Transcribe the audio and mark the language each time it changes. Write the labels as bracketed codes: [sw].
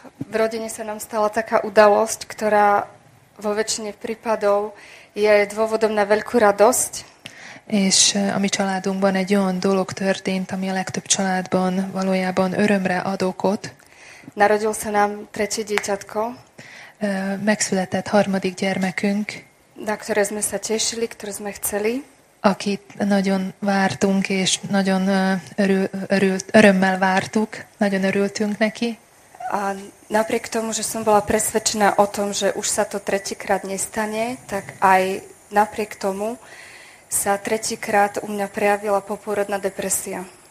[sk] V rodine sa nám stala taká udalosť, ktorá vo väčšine prípadov je dôvodom na veľkú radosť. [hu] És a mi családunkban egy olyan dolog történt, ami a legtöbb családban valójában örömre ad okot. [sk] Narodil sa nám tretie dieťatko. [hu] Megszületett harmadik gyermekünk. [sk] Na ktoré sme sa tešili, ktoré sme chceli. [hu] Akit nagyon vártunk, és nagyon örömmel vártuk, nagyon örültünk neki. [sk] A napriek tomu, že som bola presvedčená o tom, že už sa to tretíkrát nestane, tak aj napriek tomu sa tretíkrát u mňa prejavila poporodná depresia.